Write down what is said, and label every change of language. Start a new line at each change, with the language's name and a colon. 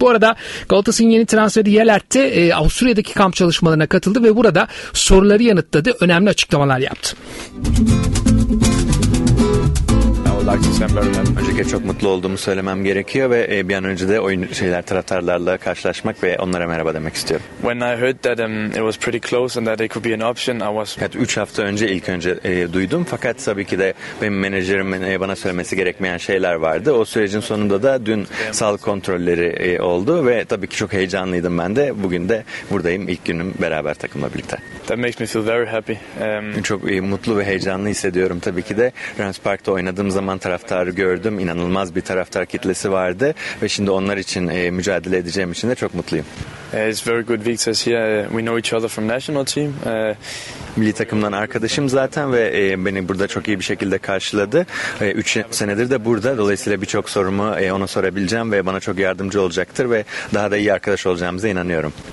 Turkish: Bu arada Galatasaray'ın yeni transferi Yelert'te Avusturya'daki kamp çalışmalarına katıldı ve burada soruları yanıtladı. Önemli açıklamalar yaptı. Öncelikle çok mutlu olduğumu söylemem gerekiyor ve bir an önce de oyun şeyler taraftarlarla karşılaşmak ve onlara merhaba demek istiyorum.
English: When I heard that it was pretty close and that it could be an option, I was.
Turkish: Evet, 3 hafta önce ilk önce duydum fakat tabii ki de benim menajerimin bana söylemesi gerekmeyen şeyler vardı. O sürecin sonunda da dün sağlık kontrolleri oldu ve tabii ki çok heyecanlıydım ben de. Bugün de buradayım, ilk günüm beraber takımla birlikte.
English: That makes me feel very happy.
Turkish: Çok mutlu ve heyecanlı hissediyorum tabii ki de. Rams Park'ta oynadığım zaman taraftarı gördüm. İnanılmaz bir taraftar kitlesi vardı ve şimdi onlar için mücadele edeceğim için de çok mutluyum.
English: It's very good Victor's here. We know each other from national team.
Turkish: Milli takımdan arkadaşım zaten ve beni burada çok iyi bir şekilde karşıladı. 3 senedir de burada. Dolayısıyla birçok sorumu ona sorabileceğim ve bana çok yardımcı olacaktır ve daha da iyi arkadaş olacağımıza inanıyorum.